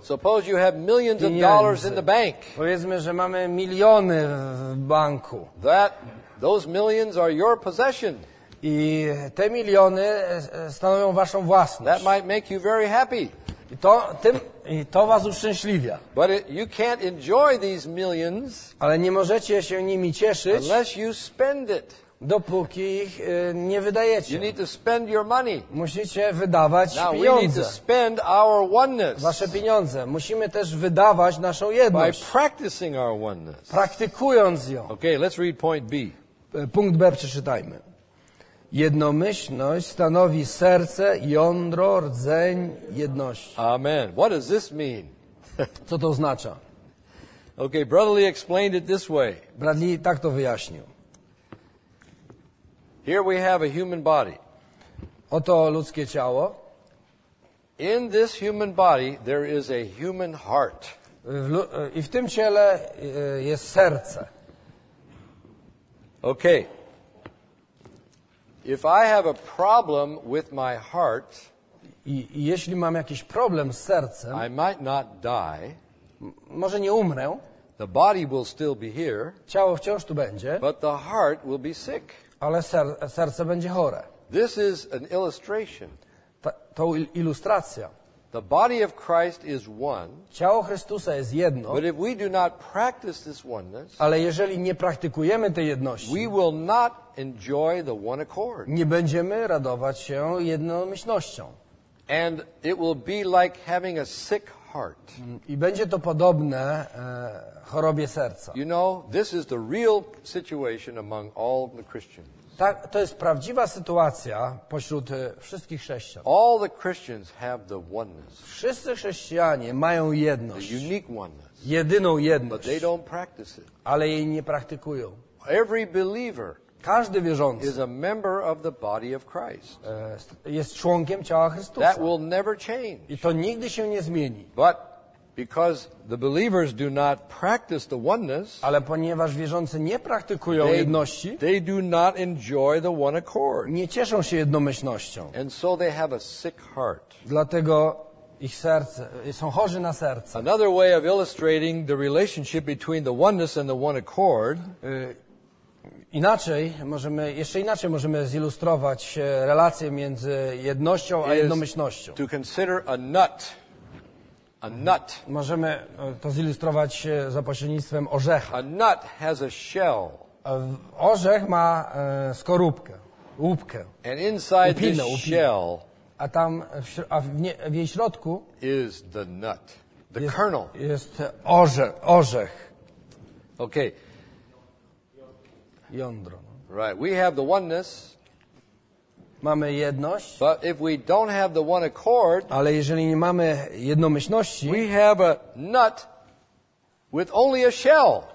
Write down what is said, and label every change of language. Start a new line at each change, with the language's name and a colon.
English: Suppose you have millions of dollars in the bank.
Polish: Powiedzmy, że mamy miliony w banku.
English: Those millions are your possession.
Polish: I te miliony stanowią waszą własność.
English: That might make you very happy.
Polish: I to was uszczęśliwia.
English: But you can't enjoy these millions,
Polish: ale nie możecie się nimi cieszyć,
English: unless you spend it.
Polish: Dopóki ich nie wydajecie.
English: You need to spend your money.
Polish: Musicie wydawać
English: Now,
Polish: pieniądze.
English: We need to spend our oneness.
Polish: Wasze pieniądze. Musimy też wydawać naszą jedność.
English: By practicing our oneness.
Polish: Praktykując ją.
English: Okay, let's read point B.
Polish: Punkt B przeczytajmy. Jednomyślność stanowi serce, jądro, rdzeń jedności.
English: Amen. What does this mean?
Polish: Co to oznacza?
English: Okay, Brotherly explained it this way.
Polish: Bradley tak to wyjaśnił.
English: Here we have a human body.
Polish: Oto ludzkie ciało.
English: In this human body there is a human heart.
Polish: I w tym ciele jest serce.
English: Okay. If I have a problem with my heart,
Polish: jeśli mam jakiś problem z sercem,
English: I might not die.
Polish: Może nie umrę.
English: The body will still be here.
Polish: Ciało wciąż tu będzie.
English: But the heart will be sick.
Polish: Ale serce będzie chore.
English: This is an illustration.
Polish: To ilustracja.
English: The body of Christ is one.
Polish: Ciało Chrystusa jest jedno.
English: But if we do not practice this oneness,
Polish: ale jeżeli nie praktykujemy tej jedności,
English: we will not enjoy the one accord.
Polish: Nie będziemy radować się jednomyślnością.
English: And it will be like having a sick heart.
Polish: I będzie to podobne chorobie serca.
English: You know, this is the real situation among all the Christians.
Polish: To jest prawdziwa sytuacja pośród wszystkich chrześcijan.
English: All the Christians have the oneness.
Polish: Wszyscy chrześcijanie mają jedność.
English: The unique oneness.
Polish: Jedyną jedność.
English: But they don't practice it.
Polish: Ale jej nie praktykują.
English: Every believer.
Polish: Każdy wierzący
English: is a member of the body of Christ.
Polish: Jest członkiem ciała Chrystusa.
English: That will never change.
Polish: I to nigdy się nie zmieni.
English: But because the believers do not practice the oneness,
Polish: ale ponieważ wierzący nie praktykują jedności,
English: they do not enjoy the one accord.
Polish: Nie cieszą się jednomyślnością.
English: And so they have a sick heart.
Polish: Dlatego ich serce są chorzy na serce.
English: Another way of illustrating the relationship between the oneness and the one accord.
Polish: Inaczej możemy, jeszcze inaczej możemy zilustrować relację między jednością a jednomyślnością.
English: To consider a nut. A nut.
Polish: Możemy to zilustrować za pośrednictwem orzecha.
English: A nut has a shell.
Polish: Orzech ma skorupkę, łupkę.
English: And inside
Polish: łupinę,
English: this shell.
Polish: A tam w jej środku
English: is the nut, the kernel.
Polish: Jest orzech.
English: Okay.
Polish: Jądro.
English: Right, we have the oneness.
Polish: Mamy jedność.
English: But if we don't have the one accord,
Polish: ale jeżeli nie mamy jednomyślności,
English: we have a nut with only a shell.